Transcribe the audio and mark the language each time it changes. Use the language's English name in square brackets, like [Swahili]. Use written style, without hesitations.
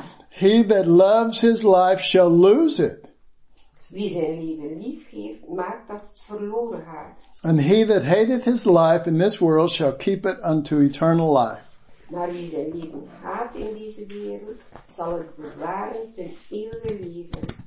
[English] He that loves his life shall lose it. [Dutch] Wie zijn leven lief heeft, maakt dat het verloren gaat. [English] And he that hateth his life in this world shall keep it unto eternal life. [Dutch] Maar wie zijn leven haat in deze wereld, zal het bewaren ten eeuwige leven.